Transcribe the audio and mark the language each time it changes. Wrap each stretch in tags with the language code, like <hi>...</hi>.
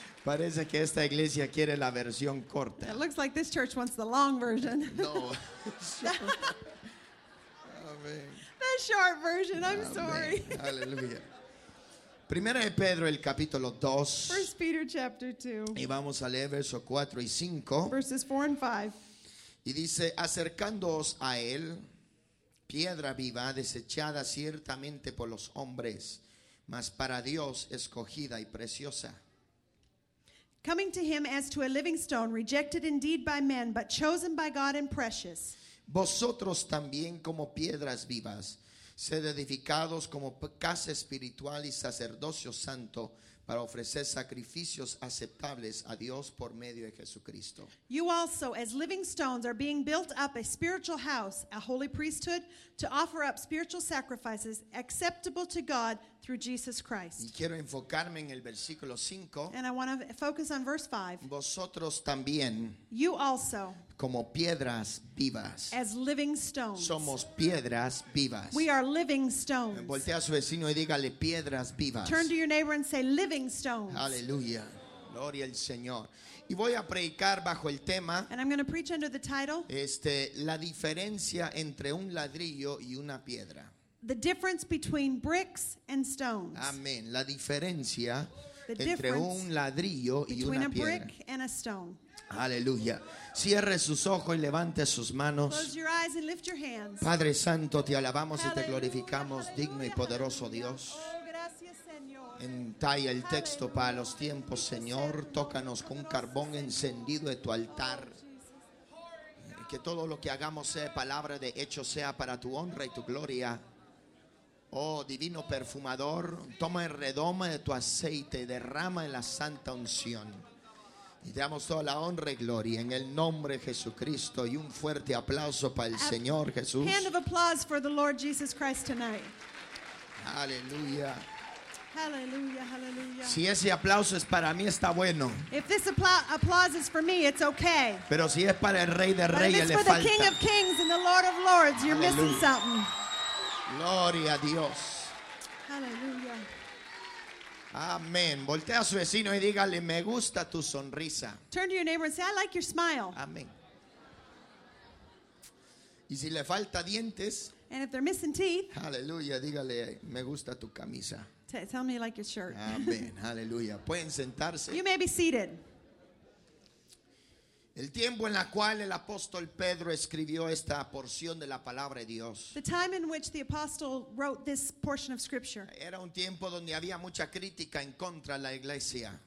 <es>Parece que esta iglesia quiere la versión corta.</es> <en>It looks like this church wants the long version.</en> <es>No. Amén.</es> <en>The short version. I'm sorry.</en> <es>Aleluya. Primera de Pedro, el capítulo 2.</es> <en>First Peter, chapter 2.</en> <es>Y vamos a leer versos 4 y 5.</es> <en>Verses 4 and 5.</en> <es>Y dice, acercándoos a él, piedra viva, desechada ciertamente por los hombres, mas para Dios escogida y preciosa.</es> <en>Coming to him as to a living stone, rejected indeed by men, but chosen by God and precious.</en> <es>Vosotros también como piedras vivas, sed edificados como casa espiritual y sacerdocio santo para ofrecer sacrificios aceptables a Dios por medio de Jesucristo.</es> <en>You also, as living stones, are being built up a spiritual house, a holy priesthood, to offer up spiritual sacrifices acceptable to God through Jesus Christ.</en> <es>Y quiero enfocarme en el versículo 5.</es> <en>And I want to focus on verse 5.</en> <es>Vosotros también.</es> <en>You also.</en> <es>Como piedras vivas.</es> <en>As living stones.</en> <es>Somos piedras vivas.</es> <en>We are living stones.</en> <es>Voltea a su vecino y dígale piedras vivas.</es> <en>Turn to your neighbor and say living stones.</en> <es>Aleluya. Gloria al Señor. Y voy a predicar bajo el tema.</es> <en>And I'm going to preach under the title.</en> <es>La diferencia entre un ladrillo y una piedra.</es> <en>The difference between bricks and stones.</en> <es>Amén. La diferencia entre un ladrillo y una piedra.</es> <en>Between a brick and a stone.</en> <es>Aleluya. Cierre sus ojos y levante sus manos. Padre Santo, te alabamos</es> <en>hallelujah,</en> <es>y te glorificamos, hallelujah, digno y poderoso Dios. Oh, gracias, Señor. Entalla el hallelujah texto para los tiempos, Señor. Tócanos con un carbón encendido de tu altar. Que todo lo que hagamos sea palabra de hecho, sea para tu honra y tu gloria. Oh, divino perfumador, toma el redoma de tu aceite y derrama en la santa unción. Y te damos toda la honra y gloria en el nombre de Jesucristo. Y un fuerte aplauso para el Señor Jesús.</es> <en>Hand of applause for the Lord Jesus Christ tonight.</en> <es>Aleluya. Aleluya, aleluya. Si ese aplauso es para mí, está bueno.</es> <en>If this applause is for me, it's okay.</en> <es>Pero si es para el Rey de Reyes, le falta.</es> <en>But if it's for the King of Kings and the Lord of Lords, you're aleluya missing something.</en> <es>Gloria a Dios. Aleluya. Amén. Voltea a su vecino y dígale, me gusta tu sonrisa.</es> <en>Turn to your neighbor and say, I like your smile.</en> <es>Amén. Y si le falta dientes.</es> <en>And if they're missing teeth.</en> <es>Aleluya, dígale, me gusta tu camisa.</es> <en>Tell me you like your shirt.</en> <es>Amén, aleluya. Pueden sentarse.</es> <en>You may be seated.</en> <es>El tiempo en la cual el apóstol Pedro escribió esta porción de la palabra de Dios.</es> <en>The time in which the apostle wrote this portion of scripture.</en> <es>Era un tiempo donde había mucha crítica en contra de la iglesia.</es>